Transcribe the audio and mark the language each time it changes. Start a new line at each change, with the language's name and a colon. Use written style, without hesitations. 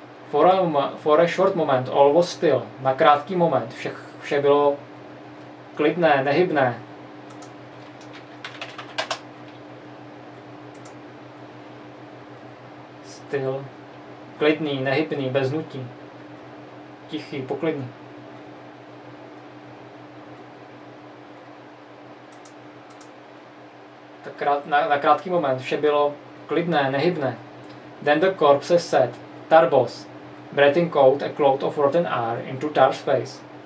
English: For a short moment, all was still.
Czech: Na krátký moment, vše bylo klidné, nehybné.
English: Still.
Czech: Klidný, nehybný, bez nutí. Tichý, poklidný. Na krátký moment vše bylo klidné, nehybné.
English: Then the corpse said, Tarbos, breathing cold a cloud of rotten air into Tar's face.